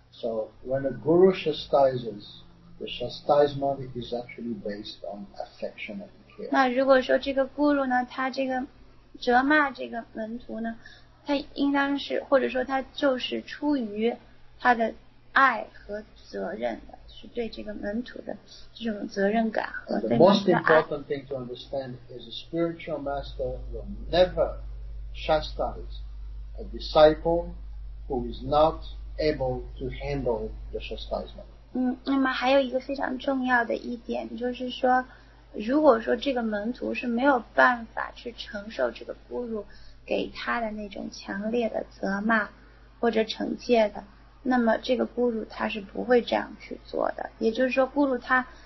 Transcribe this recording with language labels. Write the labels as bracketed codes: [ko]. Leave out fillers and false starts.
[en] So when a guru chastises, the chastisement is actually based on affection and care. [zh] 那如果说这个 guru 呢，他这个责骂这个门徒呢，他应当是或者说他就是出于他的爱和责任的。对这个门徒的这种责任感和对门徒的爱。 [en] The most important thing to understand is a spiritual master will never chastise a disciple who is not able to handle the chastisement. [zh] 那么还有一个非常重要的一点就是说，如果说这个门徒是没有办法去承受这个侮辱给他的那种强烈的责骂或者惩戒的。那么这个 guru 他是不会这样去做的，也就是说 guru 他